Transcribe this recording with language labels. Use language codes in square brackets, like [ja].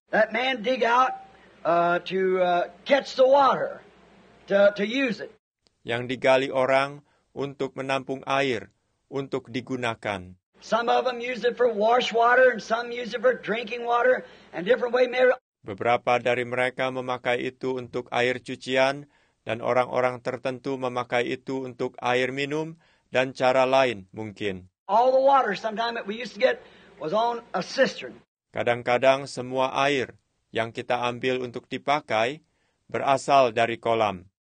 [en] That man dig out to catch the water to use it. [id] Yang digali orang untuk menampung air untuk digunakan. [en] Some of them use it for wash water and some use it for drinking water and different way maybe. [id] Beberapa dari mereka memakai itu untuk air cucian dan orang-orang tertentu memakai itu untuk air minum dan cara lain mungkin. [en] All the water sometimes we used to get was on a cistern. [id] Kadang-kadang semua air yang kita ambil untuk dipakai berasal dari kolam.